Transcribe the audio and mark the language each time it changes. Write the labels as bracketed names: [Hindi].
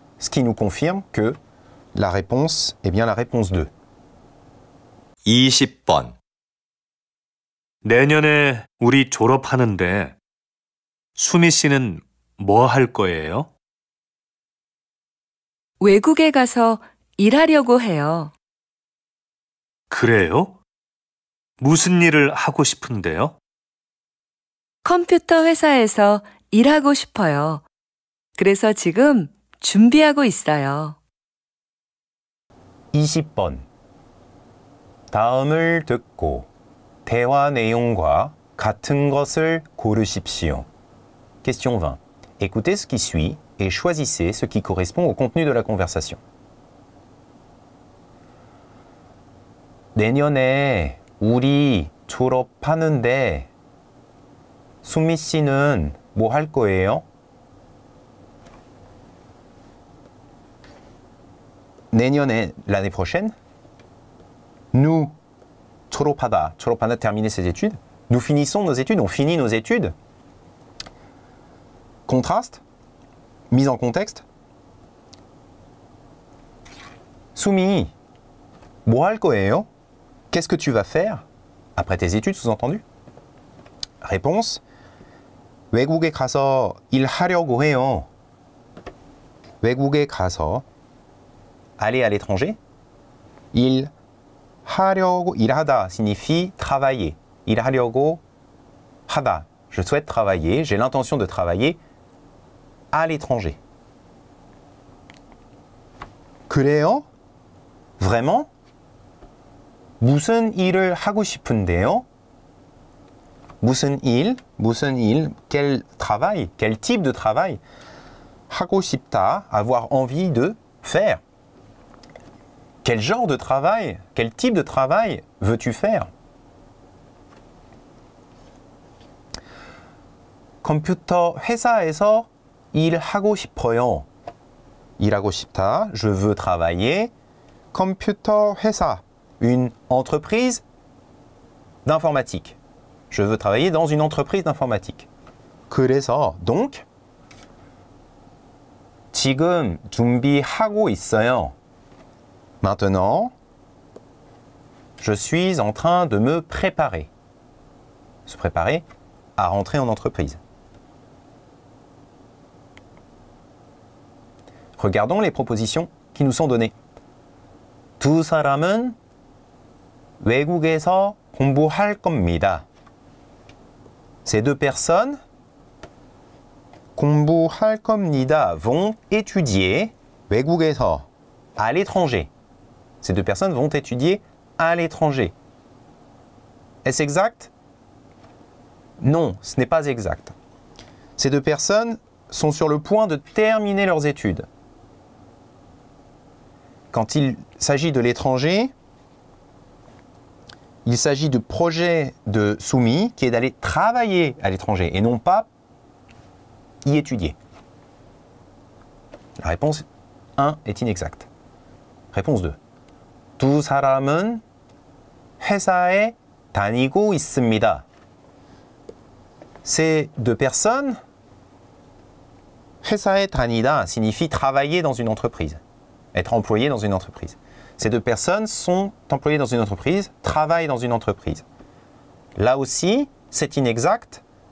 [French] Ce qui nous confirme que la réponse est bien la réponse 2. [Korean] 20번. 내년에 우리 졸업하는데 수미 씨는 뭐 할 거예요? 외국에 가서 일하려고 해요. 그래요? 무슨 일을 하고 싶은데요? 컴퓨터 회사에서 일하고 싶어요. 그래서 지금 준비하고 있어요. 20번. 다음을 듣고 대화 내용과 같은 것을 고르십시오. [English] Question 20. [French] Écoutez ce qui suit et choisissez ce qui correspond au contenu de la conversation. [Korean] 내년에 우리 졸업하는데 수미 씨는 뭐 할 거예요? 내년에, [French] l'année prochaine, nous, [Korean] 졸업하다, [French] 졸업하다, terminer ses études, nous finissons nos études, on finit nos études. Contraste, mise en contexte. [Korean] Soumi, 뭐 할 거예요? [French] Qu'est-ce que tu vas faire après tes études, sous-entendu? Réponse, [Korean] 외국에 가서 일하려고 해요. 외국에 가서 [French] aller à l'étranger. Il [Korean] 하려고 일하다 [French] signifie travailler. [Korean] Il 하려고 하다. [French] Je souhaite travailler, j'ai l'intention de travailler à l'étranger. [Korean] 그래요? [French] Vraiment? [Korean] 무슨 일을 하고 싶은데요? 무슨 일? [French] Quel travail? Quel type de travail? [Korean] 하고 싶다, [French] avoir envie de faire. Quel genre de travail, quel type de travail veux-tu faire? [Korean] Computer 회사에서 일하고 싶어요. 일하고 싶다. [French] Je veux travailler. [Korean] Computer 회사. [French] Une entreprise d'informatique. Je veux travailler dans une entreprise d'informatique. [Korean] 그래서 [French] donc [Korean] 지금 준비하고 있어요. [French] Maintenant, je suis en train de me préparer. Se préparer à rentrer en entreprise. Regardons les propositions qui nous sont données. [Korean] 두 사람은 외국에서 공부할 겁니다. [French] Ces deux personnes [Korean] 공부할 겁니다 [French] vont étudier [Korean] 외국에서 [French] à l'étranger. Ces deux personnes vont étudier à l'étranger. Est-ce exact? Non, ce n'est pas exact. Ces deux personnes sont sur le point de terminer leurs études. Quand il s'agit de l'étranger, il s'agit du projet de Soumi qui est d'aller travailler à l'étranger et non pas y étudier. La réponse 1 est inexacte. Réponse 2. [Korean] 두 사람은 회사에 다니고 있습니다. [French] Ces deux personnes, [Korean] 회사에 다니다 [French] signifie travailler dans une entreprise, être employé dans une entreprise. Ces deux personnes sont employées dans une entreprise, travaillent dans une entreprise. Là aussi, c'est inexact.